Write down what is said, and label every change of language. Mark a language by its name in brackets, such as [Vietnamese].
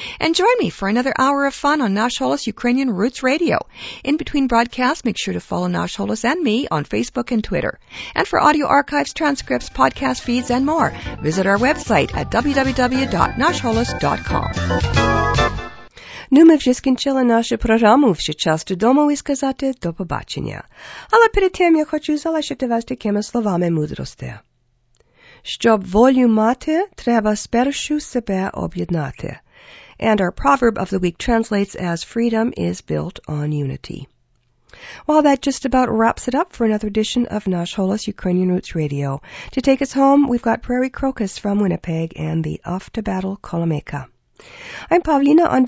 [English] And join me for another hour of fun on Nash Holos Ukrainian Roots Radio. In between broadcasts, make sure to follow Nash Holos and me on Facebook and Twitter. And for audio archives, transcripts, podcast feeds, and more, visit our website at www.nashholos.com. [Ukrainian] Ну, ми вже скінчили нашу програму, ще час додому і сказати до побачення. Але перед тим я хочу залишити вас такими словами мудрості. Щоб волю мати, треба спершу себе об'єднати. [English] And our proverb of the week translates as freedom is built on unity. Well, that just about wraps it up for another edition of Nash Holos Ukrainian Roots Radio. To take us home, we've got Prairie Crocus from Winnipeg and the off-to-battle Kolomeka. I'm Pavlina on behalf of all of us here at Nash Holos and AM 1320. Thanks for listening and Dobranich!